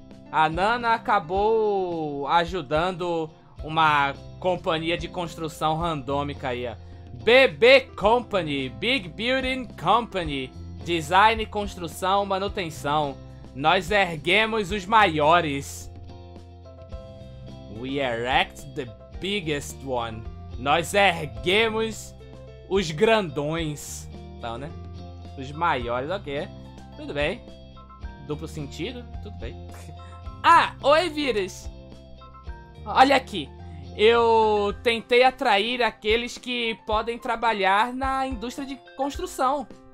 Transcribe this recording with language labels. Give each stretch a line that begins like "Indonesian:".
Portuguese: A Nana acabou ajudando uma companhia de construção randômica aí, ó. BB Company, Big Building Company, Design, Construção, Manutenção. Nós erguemos os maiores.
English: We erect the biggest one.
Portuguese: Nós erguemos os grandões. Então, né? Os maiores, ok. Tudo bem. Duplo sentido, tudo bem. Ah, oi, vírus. Olha aqui. Eu tentei atrair aqueles que podem trabalhar na indústria de construção.